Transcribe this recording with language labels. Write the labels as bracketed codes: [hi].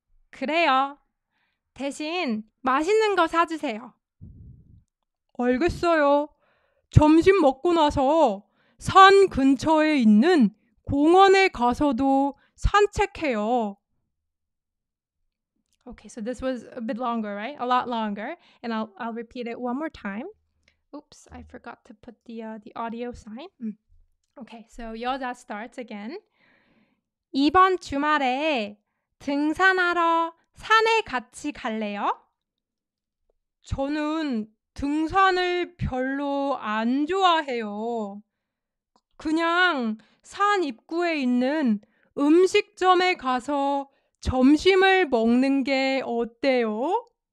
[ko] 그래요. 대신 맛있는 거 사주세요. 알겠어요. 점심 먹고 나서 산 근처에 있는 공원에 가서도 산책해요. [en] Okay, so this was a bit longer, right? A lot longer. And I'll repeat it one more time. Oops, I forgot to put the audio sign. Okay, so 여자 starts again. [ko] 이번 주말에 등산하러 산에 같이 갈래요? 저는 등산을 별로 안 좋아해요. 그냥 산 입구에 있는 음식점에 가서 점심을 먹는 게 어때요?